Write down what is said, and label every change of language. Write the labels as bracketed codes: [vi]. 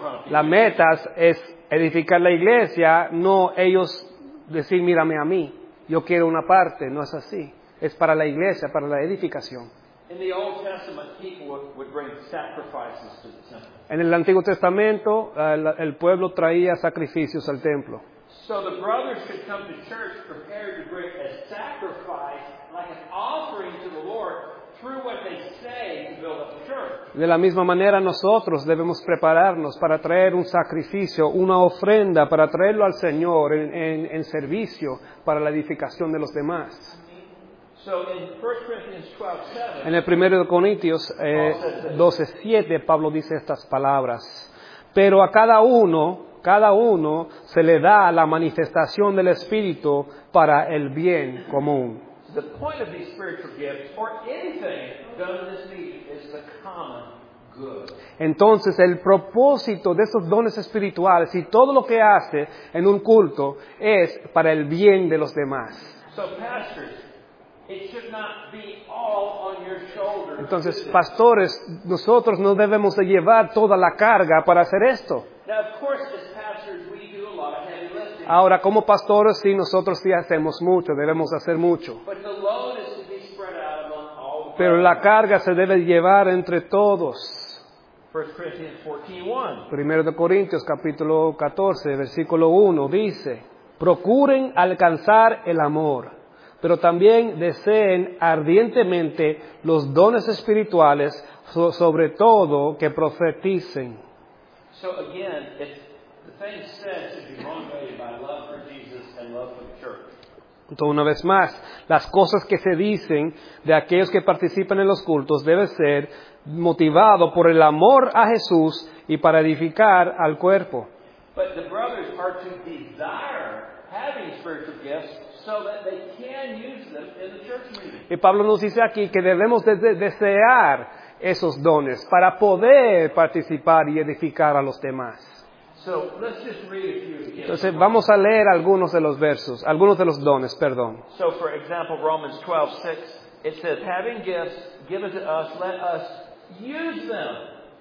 [es] La meta es edificar la iglesia, no ellos decir, mírame a mí, yo quiero una parte. No es así. Es para la iglesia, para la edificación. [en] In the Old Testament, people would bring sacrifices to the temple. [es] En el Antiguo Testamento, el pueblo traía sacrificios al templo. [en] So the brothers could come to church prepared to bring a sacrifice, like an offering to the Lord, through what they say to build up the church. [es] De la misma manera, nosotros debemos prepararnos para traer un sacrificio, una ofrenda, para traerlo al Señor en servicio para la edificación de los demás. [en] So in 1 Corinthians 12:7, [es] en el 1 Corintios 12:7, Pablo dice estas palabras. Pero a cada uno se le da la manifestación del Espíritu para el bien común. [en] The point of these spiritual gifts, or anything done in this meeting, is the common good. [es] Entonces, el propósito de esos dones espirituales y todo lo que hace en un culto es para el bien de los demás. [en] So pastors, it should not be all on your shoulders. [es] Entonces, pastores, nosotros no debemos de llevar toda la carga para hacer esto. [en] Now, of course, as pastors, we do a lot of heavy lifting. [es] Ahora, como pastores, sí, nosotros sí hacemos mucho, debemos hacer mucho. [en] But the load is to be spread out among all. [es] Pero la carga se debe llevar entre todos. 1 Corintios capítulo 14, versículo 1, dice, procuren alcanzar el amor, pero también deseen ardientemente los dones espirituales, sobre todo que profeticen. [en] So again, if the thing said should be motivated by love for Jesus and love for the church. [es] Entonces, una vez más, las cosas que se dicen de aquellos que participan en los cultos debe ser motivado por el amor a Jesús y para edificar al cuerpo. [en] But the brothers are to desire having spiritual gifts so that they can use them in the church meeting. [es] Y Pablo nos dice aquí que debemos desear esos dones para poder participar y edificar a los demás. [en] So, let's just read a few. [es] Entonces vamos a leer algunos de los versos, algunos de los dones, perdón. [en] So, for example, Romans 12:6, it says, having gifts given to us, let us use them.